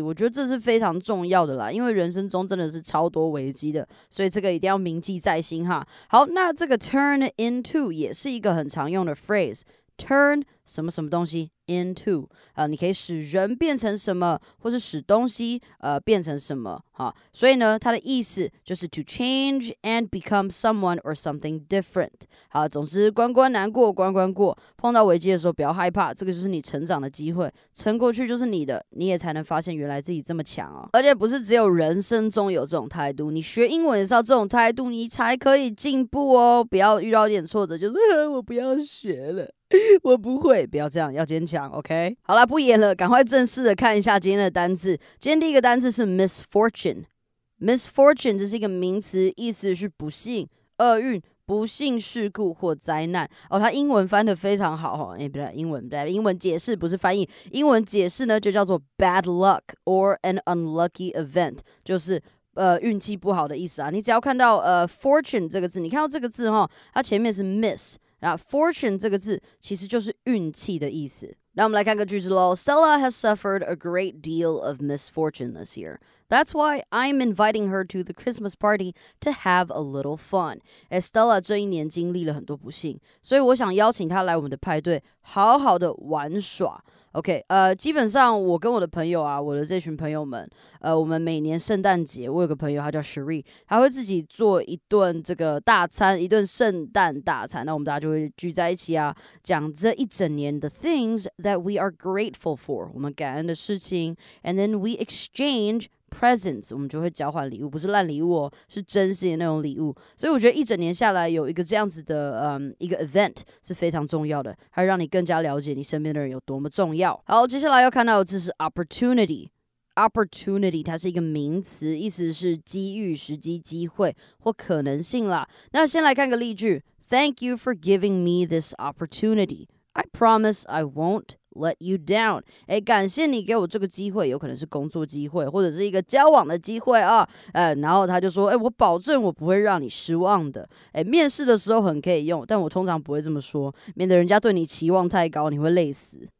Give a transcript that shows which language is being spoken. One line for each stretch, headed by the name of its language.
Chinese: 我觉得这是非常重要的啦，因为人生中真的是超多危机的，所以这个一定要铭记在心哈。好，那这个 turn into 也是一个很常用的 phrase。 Turn 什么什么东西 into 啊，你可以使人变成什么，或是使东西变成什么哈。所以呢，它的意思就是
English: to change and become someone or something different。
Chinese: 好，总之关关难过关关过，碰到危机的时候不要害怕，这个就是你成长的机会，撑过去就是你的，你也才能发现原来自己这么强哦。而且不是只有人生中有这种态度，你学英文也是要这种态度，你才可以进步哦。不要遇到一点挫折就是我不要学了。我不会，不要这样，要坚强 ，OK？好啦，不演了，赶快正式的看一下今天的单字。今天第一个单字是 misfortune， misfortune 这是一个名词，意思是不幸、厄运、不幸事故或灾难。哦，它英文翻得非常好哈，哎，不对，英文解释不是翻译，英文解释呢就叫做
English: bad luck or an unlucky event，
Chinese: 就是。运气不好的意思啊，你只要看到fortune 这个字，你看到这个字哈，它前面是 miss， 然后 fortune 这个字其实就是运气的意思。那我们来看个句子喽。
English: Stella has suffered a great deal of misfortune this year. That's why I'm inviting her to the Christmas party to have a little fun.
Chinese: Stella 这一年经历了很多不幸，所以我想邀请她来我们的派对，好好的玩耍。 OK， 基本上我跟我的朋友啊，我的这群朋友们，我们每年圣诞节，我有个朋友，他叫 Sheree， 他会自己做一顿这个大餐，一顿圣诞大餐，那我们大家就会聚在一起啊，讲这一整年的
English: things that we are grateful for，
Chinese: 我们感恩的事情 ，
English: and then we exchange presents，
Chinese: 我们就会交换礼物，不是烂礼物哦，是真心的那种礼物。所以我觉得一整年下来有一个这样子的一个 event 是非常重要的，它让你更加了解你身边的人有多么重要。好，接下来要看到的字是 opportunity。Opportunity 它是一个名词，意思是机遇、时机、机会或可能性啦。那先来看个例句
English: ：Thank you for giving me this opportunity. I promise I won't. Let you down.
Chinese: 哎，感谢你给我这个机会，有可能是工作机会，或者是一个交往的机会啊。然后他就说，哎，我保证我不会让你失望的。哎，面试的时候很可以用，但我通常不会这么说，免得人家对你期望太高，你会累死。